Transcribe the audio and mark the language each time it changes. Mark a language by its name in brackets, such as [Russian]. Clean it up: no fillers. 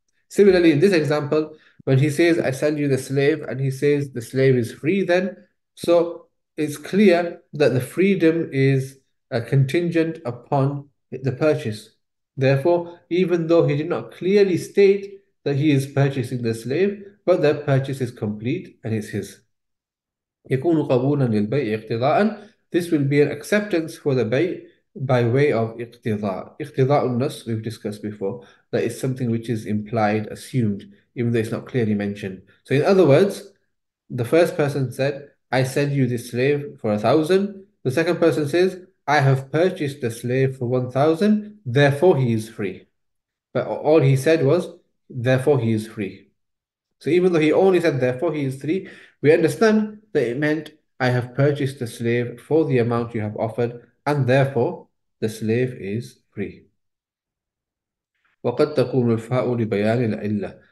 [English] Similarly, in this example, when he says, I send you the slave, and he says the slave is free, then so it's clear that the freedom is contingent upon the purchase. Therefore, even though he did not clearly state that he is purchasing the slave, but the purchase is complete and it's his. [Arabic] يكون قبولا للبيع اقتضاء. [English] This will be an acceptance for the bay by way of اقتضاء. [Arabic] اقتضاء النص, [English] we've discussed before, that is something which is implied, assumed, even though it's not clearly mentioned. So in other words, the first person said, I sell you this slave for 1,000. The second person says, I have purchased the slave for 1,000, therefore he is free. But all he said was, therefore he is free. So even though he only said, therefore he is free, we understand that it meant, I have purchased the slave for the amount you have offered, and therefore the slave is free. [Arabic] وقد تقوم الفاء لبيان العلة.